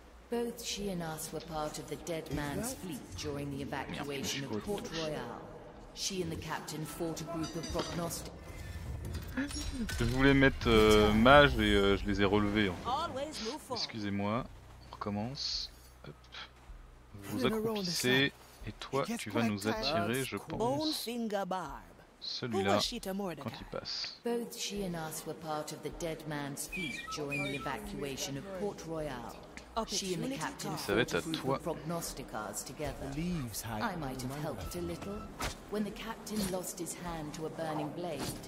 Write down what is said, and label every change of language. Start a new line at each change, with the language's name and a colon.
English: Both she and us were part of the dead man's fleet during the evacuation of Port Royal. She and the captain fought a group of prognostics.
French: Je voulais mettre mage et je les ai relevés. En fait. Excusez-moi, on recommence. Hop. Vous accroupissez et toi tu vas nous attirer, je pense. Celui-là, quand il passe.
English: Both she and us were part of the dead man's fleet during the evacuation of Port Royal. She and the captain fought a group of prognosticars together. I might have helped a little when the captain lost his hand to a burning blade.